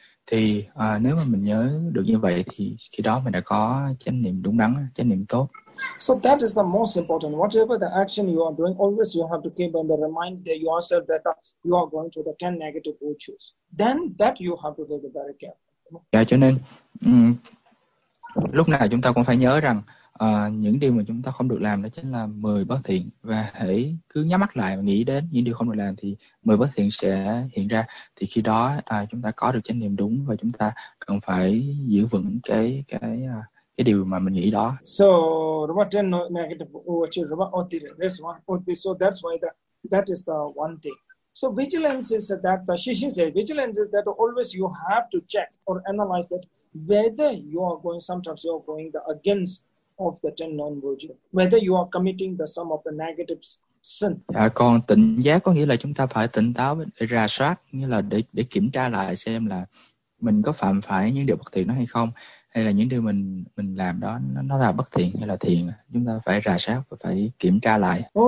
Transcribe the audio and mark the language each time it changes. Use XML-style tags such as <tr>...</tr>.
<vi>Thì nếu mà mình nhớ được như vậy thì khi đó mình đã có chánh niệm đúng đắn, chánh niệm tốt.</vi> <en>So that is the most important. Whatever the action you are doing, always you have to keep on the remind yourself that you are going to the 10 negative virtues. Then that you have to be very careful.</en> <vi>Dạ, cho nên lúc nào chúng ta cũng phải nhớ rằng những điều mà chúng ta không được làm đó chính là 10 bất thiện. Và hãy cứ nhắm mắt lại và nghĩ đến những điều không được làm thì 10 bất thiện sẽ hiện ra. Thì khi đó chúng ta có được chánh niệm đúng và chúng ta cần phải giữ vững cái điều mà mình nghĩ đó.</vi> <en>So, that's why that is the one thing. So vigilance is that always you have to check or analyze that whether you are going, sometimes you are going the against of the 10 non-virtues, whether you are committing the some of the negative sin.</en> <vi>Dạ, còn tỉnh giác có nghĩa là chúng ta phải tỉnh táo để rà soát, nghĩa là để kiểm tra lại xem là mình có phạm phải những điều bất thiện đó hay không, hay là những điều mình làm đó nó là bất thiện hay là thiện, chúng ta phải rà soát và phải kiểm tra lại.</vi>